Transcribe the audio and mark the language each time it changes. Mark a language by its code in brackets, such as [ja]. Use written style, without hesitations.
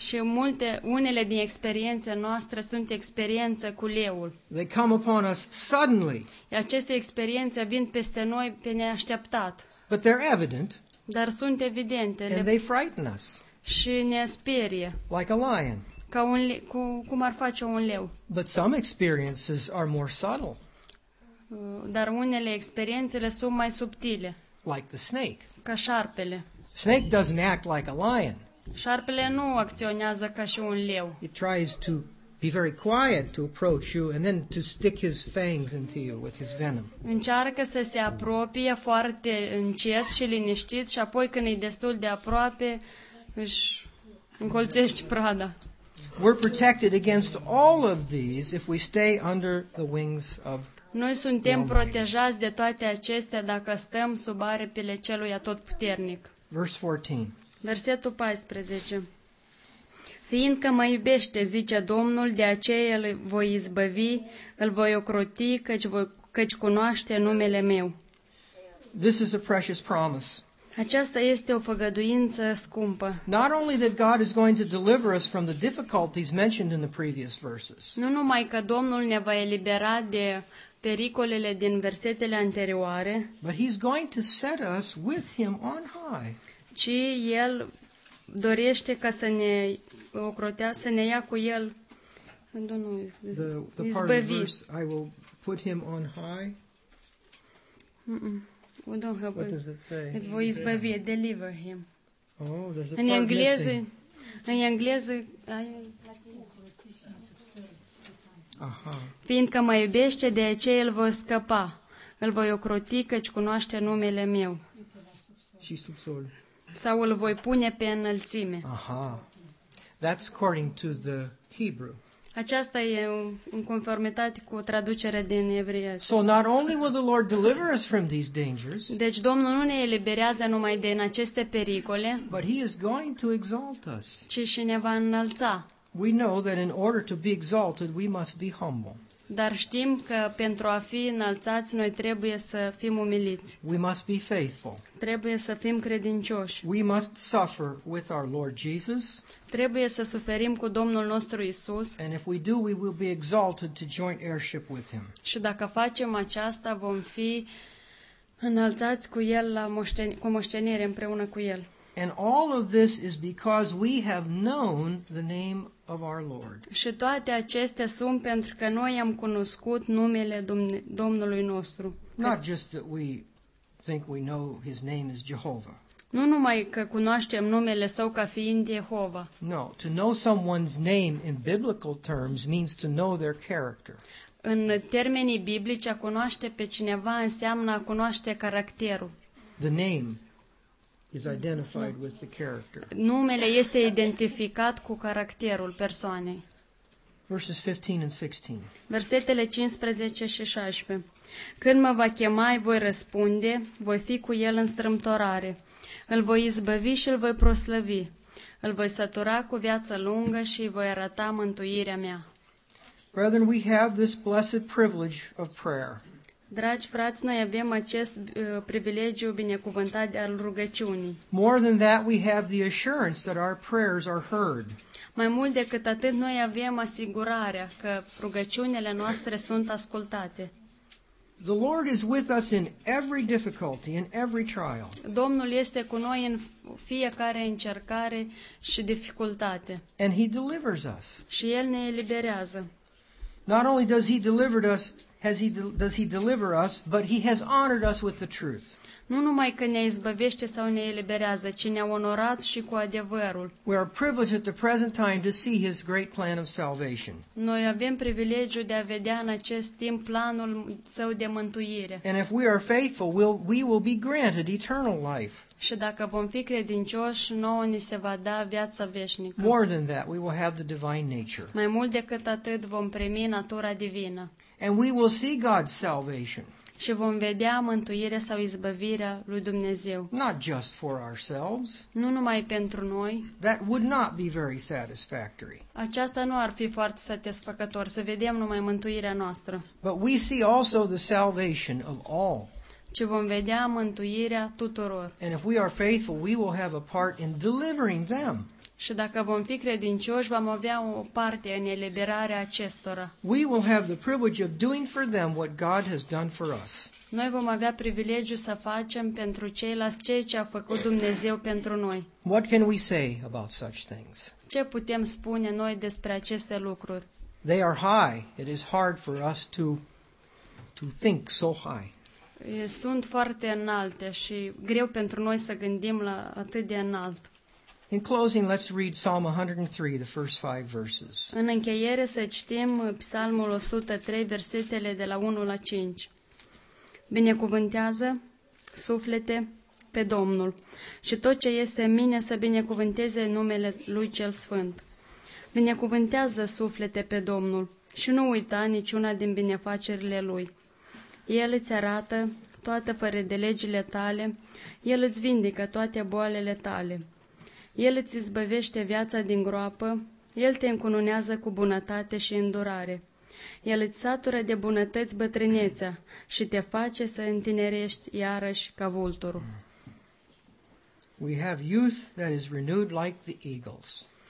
[ro] Și multe, unele din experiențele noastre sunt experiență cu leul. [en] They come upon us suddenly. [ro] Aceste experiențe vin peste noi pe neașteptat. [en] But they're evident. [ro] Dar sunt evidente. [en] And they frighten us. [ro] Și ne sperie. [en] Like a lion. [ro] Ca un le- cu, cum ar face un leu. [en] But some experiences are more subtle. [ro] Dar unele experiențele sunt mai subtile. [en] Like the snake. [ro] Ca șarpele. [en] Snake doesn't act like a lion. [ro] Șarpele nu acționează ca și un leu. [en] It tries to be very quiet to approach you and then to stick his fangs into you with his venom. [ro] Încearcă să se apropie foarte încet și liniștit și apoi când e destul de aproape își încolțește prada. [en] We're protected against all of these if we stay under the wings of [ro] Noi suntem protejați de toate acestea dacă stăm sub aripile celui atotputernic. [en] Verse 14. [ro] Versetul 14. Fiindcă mă iubește, zice Domnul, de aceea îl voi izbăvi, îl voi ocroti, căci cunoaște numele meu. [en] This is a precious promise. [ro] Aceasta este o făgăduință scumpă. [en] Not only that God is going to deliver us from the difficulties mentioned in the previous verses. [ro] Nu numai că Domnul ne va elibera de pericolele din versetele anterioare, [en] but he's going to set us with him on high. [ro] Ci el dorește ca să ne ocrotea, să ne ia cu el. [en] The part of the verse, I will put him on high. We don't have what does it say? [ro] It voi izbăvi, [en] deliver him. Oh, there's a [ro] în [en] part [ro] engleză, [en] missing. [ro] În engleză, aha. Fiindcă mă iubește, de aceea îl voi scăpa. Îl voi ocroti, căci cunoaște numele meu. Și subsol. Sau îl voi pune pe înălțime. [en] Aha. That's according to the Hebrew. [ro] Aceasta e în conformitate cu traducerea din evreiesc. [en] So not only will the Lord deliver us from these dangers. [ro] Deci Domnul nu ne eliberează numai din aceste pericole. [en] But he is going to exalt us. [ro] Ci și ne va înălța. [en] We know that in order to be exalted, we must be humble. [ro] Dar știm că pentru a fi înălțați, noi trebuie să fim umiliți. [en] We must be faithful. [ro] Trebuie să fim credincioși. [en] We must suffer with our Lord Jesus. [ro] Trebuie să suferim cu Domnul nostru Isus. [en] And if we do, we will be exalted to joint heirship with him. [ro] Și dacă facem aceasta, vom fi înălțați cu el la moștenire împreună cu el. [en] And all of this is because we have known the name of our Lord. [ro] Și toate acestea sunt pentru că noi am cunoscut numele Domnului nostru. [en] Not just that we think we know his name is Jehovah. [ro] Nu numai că cunoaștem numele său ca fiind Jehova. [en] No, to know someone's name in biblical terms means to know their character. [ro] În termenii biblici, a cunoaște pe cineva înseamnă a cunoaște caracterul. [en] The name is identified with the character. [ro] Numele este identificat cu caracterul persoanei. [en] Verses 15 and 16. [ro] Versetele 15 și 16. Când mă va chema, voi răspunde, voi fi cu el în strâmtorare. Îl voi izbăvi și îl voi proslăvi. Îl voi sătura cu viață lungă și îi voi arăta mântuirea mea. [en] Brethren, we have this blessed privilege of prayer. [ro] Dragi frați, noi avem acest privilegiu binecuvântat al rugăciunii. [en] More than that, we have the assurance that our prayers are heard. [ro] Mai mult decât atât, noi avem asigurarea că rugăciunile noastre sunt ascultate. [en] The Lord is with us in every difficulty, in every trial. [ro] Domnul este cu noi în fiecare încercare și dificultate. [en] And he delivers us. [ro] Și el ne eliberează. [en] Not only does he deliver us, has he does he deliver us, but he has honored us with the truth. [ro] nu numai că ne izbăvește sau ne eliberează, ci ne-a onorat și cu adevărul. [en] We are privileged at the present time to see his great plan of salvation. [ro] Noi avem privilegiul de a vedea în acest timp planul său de mântuire. [en] And if we are faithful, we will be granted eternal life. [ro] Și dacă vom fi credincioși, nouă ni se va da viața veșnică. [en] More than that, we will have the divine nature. [ro] Mai mult decât atât, vom primi natura divină. [en] And we will see God's salvation. [ro] Și vom vedea mântuirea sau izbăvirea lui Dumnezeu. [en] Not just for ourselves. [ro] Nu numai pentru noi. [en] That would not be very satisfactory. [ro] Aceasta nu ar fi foarte satisfăcător, să vedem numai mântuirea noastră. [en] But we see also the salvation of all. [ro] Ci vom vedea mântuirea tuturor. [en] And if we are faithful, we will have a part in delivering them. [ro] Și dacă vom fi credincioși, vom avea o parte în eliberarea acestora. [en] We will have the privilege of doing for them what God has done for us. [ro] Noi vom avea privilegiul să facem pentru ceilalți ceea ce a făcut Dumnezeu pentru noi. [en] What can we say about such things? [ro] Ce putem spune noi despre aceste lucruri? [en] They are high. It is hard for us to think so high. [ro] Sunt foarte înalte și greu pentru noi să gândim la atât de înalt. [en] In closing, let's read Psalm 103, the first 5 verses. [ro] În încheiere să citim Psalmul 103, versetele de la 1 la 5. Binecuvântează, suflete, pe Domnul și tot ce este în mine să binecuvânteze numele Lui Cel Sfânt. Binecuvântează, suflete, pe Domnul și nu uita niciuna din binefacerile Lui. El îți arată toate fără de legile tale, El îți vindecă toate boalele tale. El îți izbăvește viața din groapă, El te încununează cu bunătate și îndurare. El îți satură de bunătăți bătrânețea și te face să întinerești iarăși ca vulturul. [en] We have youth that is renewed like the eagles.